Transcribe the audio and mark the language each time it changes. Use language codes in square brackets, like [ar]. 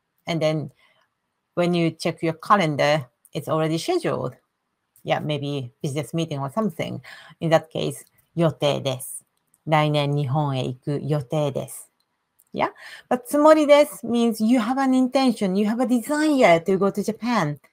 [en] And then when you check your calendar, it's already scheduled. Yeah, maybe business meeting or something. In that case, [ja] 予定です。来年日本へ行く予定です。 [en] Yeah, but つもりです means you have an intention, you have a desire to go to Japan.